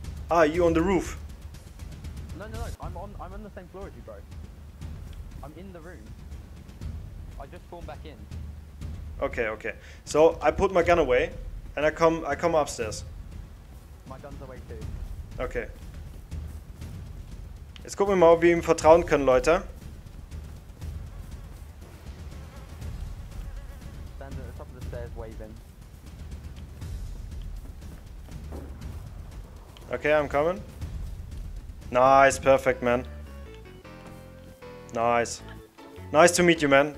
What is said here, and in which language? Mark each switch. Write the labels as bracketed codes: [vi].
[en] Ah, you on the roof. No, I'm on the same floor as you, bro. I'm in the room. I just spawned back in. Okay. So I put my gun away and I come upstairs. My gun's away too. Okay. [de] Jetzt gucken wir mal, ob wir ihm vertrauen können, Leute. [en] Stand at the top of the stairs waving. Okay, I'm coming. Nice, perfect, man. Nice. Nice to meet you, man.